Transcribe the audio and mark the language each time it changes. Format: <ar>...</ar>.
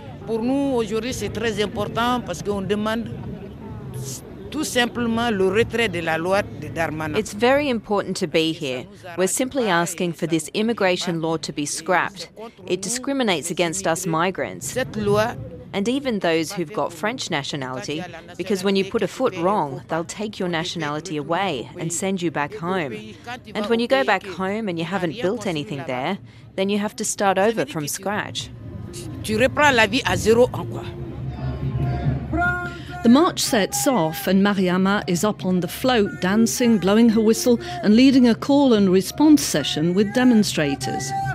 <fr>Pour nous, aujourd'hui, c'est très important parce qu'on demande tout simplement le retrait de la loi de Darmanin.</fr> <en>It's very important to be here. We're simply asking for this immigration law to be scrapped. It discriminates against us migrants and even those who've got French nationality, because when you put a foot wrong, they'll take your nationality away and send you back home. And when you go back home and you haven't built anything there, then you have to start over from scratch.</en> <fr>Tu reprends la vie à zéro en quoi.</fr> <en>The march sets off and Mariama is up on the float, dancing, blowing her whistle and leading a call and response session with demonstrators.</en>